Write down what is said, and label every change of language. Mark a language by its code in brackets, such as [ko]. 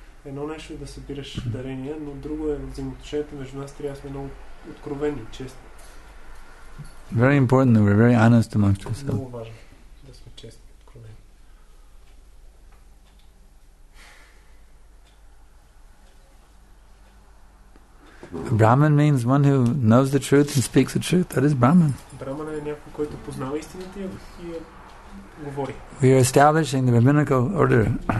[bg] Едно нещо е да събираш дарения, но друго е взаимоотношението между нас, трябва да сме много откровени, честни. [en] Very important that we're very honest amongst ourselves. [bg] Много важно да сме честни, откровени. [en] Brahman means one who knows the truth and speaks the truth. That is Brahman. [bg] Brahman е някой, който познава истината и говори. [en] We are establishing the rabbinical order.